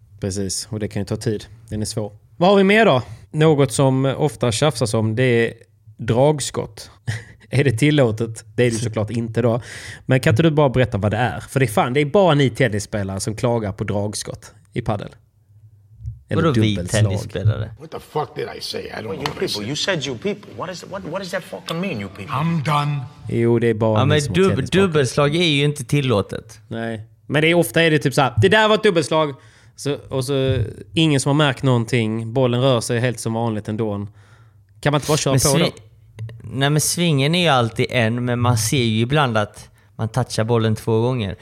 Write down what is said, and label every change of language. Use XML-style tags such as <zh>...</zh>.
<sv>Precis, och det kan ju ta tid. Den är svår. Vad har vi mer då? Något som ofta tjafsas om, det är dragskott. Är det tillåtet? Det är det såklart inte då. Men kan inte du bara berätta vad det är? För det är fan, det är bara ni tennisspelare som klagar på dragskott i padel. Eller vadå dubbelslag? Vi tennisspelare?</sv> <en>What the fuck did I say? I don't know. You people, you said you people. What does that fucking mean, you people? I'm done.</en> <sv>Jo, det är bara ja, ni men som dubbelslag är ju inte tillåtet. Nej, men det är ofta är det typ så här, det där var ett dubbelslag. Och så ingen som har märkt någonting. Bollen rör sig helt som vanligt ändå. Kan man inte bara köra på då? Nej, men svingen är ju alltid en, men man ser ju ibland att man touchar bollen två gånger.</sv>